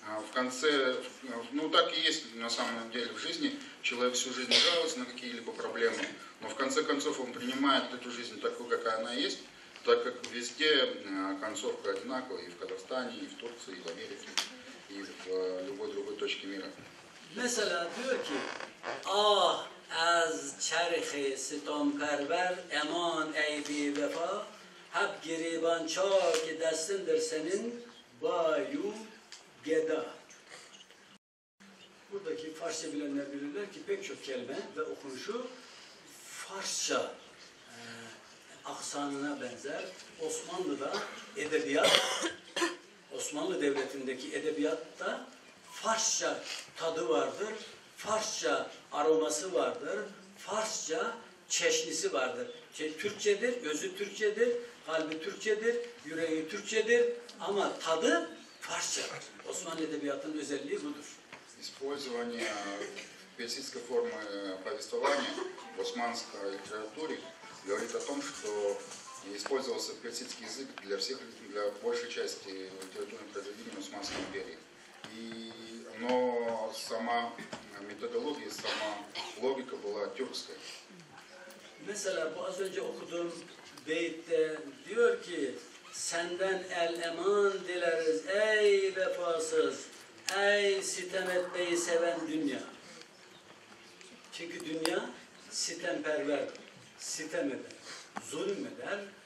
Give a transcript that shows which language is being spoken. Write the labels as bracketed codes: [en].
[ru] В конце, ну так и есть на самом деле в жизни, человек всю жизнь жалуется на какие-либо проблемы, но в конце концов он принимает эту жизнь такой, какая она есть, так как везде концовка одинаковая, и в Казахстане, и в Турции, и в Америке, и в любой другой точке мира. [tr] Mesela diyor ki, ah, az çerhi sitom karber, eman eydi vefa, hep giriban çok destindir senin, Bayu Geda. Buradaki Farsça bilenler bilirler ki pek çok kelime ve okunuşu Farsça aksanına benzer. Osmanlı'da edebiyat, Osmanlı Devleti'ndeki edebiyatta Farsça tadı vardır, Farsça aroması vardır, Farsça çeşnisi vardır. Türkçedir, gözü Türkçedir, kalbi Türkçedir, yüreği Türkçedir. Ama tadı Farsça. Osmanlı edebiyatının özelliği budur. [ru] Использование персидской формы повествования в османской литературе говорит о том, что использовался персидский язык для всех, для большей части литературных произведений Османской империи. И, но сама методология, сама логика была тюркская. [tr] Mesela bu az önce okuduğum beyitte diyor ki Senden el eman dileriz ey vefasız, ey sitem etmeyi seven dünya. Çünkü dünya sitemperver, sitem eder, zulüm eder.